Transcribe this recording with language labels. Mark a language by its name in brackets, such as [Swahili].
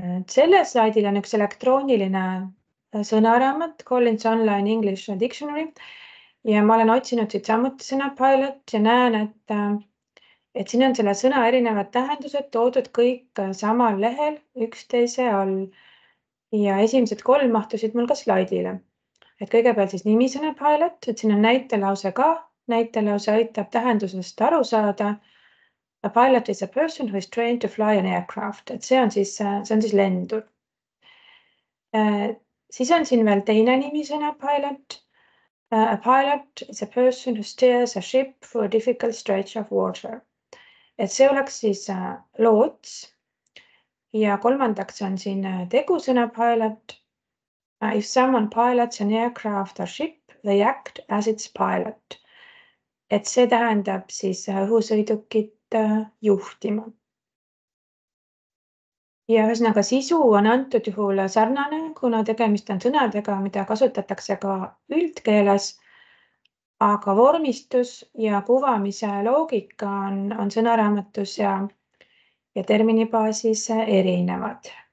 [Estonian] Selles slaidil on üks elektrooniline sõnaraamat Collins Online English Dictionary ja ma olen otsinud siit samuti sõna pilot ja näen, et siin on selle sõna erinevad tähendused toodud kõik samal lehel üksteise all ja esimesed kolm mahtusid mul ka slaidile. Et kõigepealt siis nimisõna pilot, et siin on näitelause ka, näitelause aitab tähendusest aru saada. [English] A pilot is a person who is trained to fly an aircraft. [Estonian] Et see on siis lendur. Siis on siin veel teine nimisõna pilot. [English] A pilot is a person who steers a ship for a difficult stretch of water. [Estonian] Et see oleks siis loots. Ja kolmandaks on siin tegusõna pilot. [English] If someone pilots an aircraft or ship, they act as its pilot. [Estonian] Et see tähendab siis õhusõidukit juhtima. Ja ühesõnaga sisu on antud juhul sarnane, kuna tegemist on sõnadega, mida kasutatakse ka üldkeeles, aga vormistus ja kuvamise loogika on sõnaraamatus ja terminibaasis erinevad.